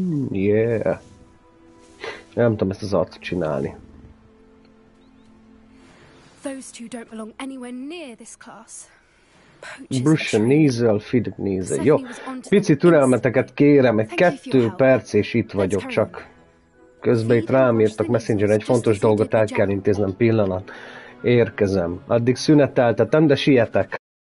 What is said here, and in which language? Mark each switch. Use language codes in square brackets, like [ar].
[hu] Yeah. Nem tudom ezt az arcot csinálni. [en] Those two don't belong anywhere near this class. [hu] Brush a nézel, Fidek nézel. Jó, pici türelmeteket kérem, egy 2 perc és itt vagyok csak. Közben itt rám írtak messengeren, egy fontos dolgot el kell intéznem, pillanat. Érkezem. Addig szüneteltetem, de sietek.